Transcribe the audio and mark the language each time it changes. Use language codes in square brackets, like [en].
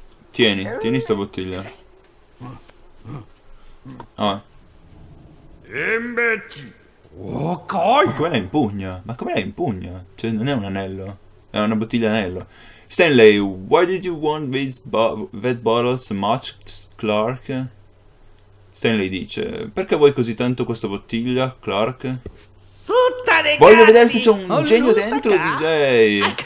[it] Tieni, tieni sta bottiglia. Ah. Imbecille! Ma come la impugna? Ma come la impugna? Cioè, non è un anello. È una bottiglia d'anello. [en] Stanley, why did you want this bottle so much, Clark? [it] Stanley dice, perché vuoi così tanto questa bottiglia, Clark? Voglio vedere se c'è un genio dentro di lei.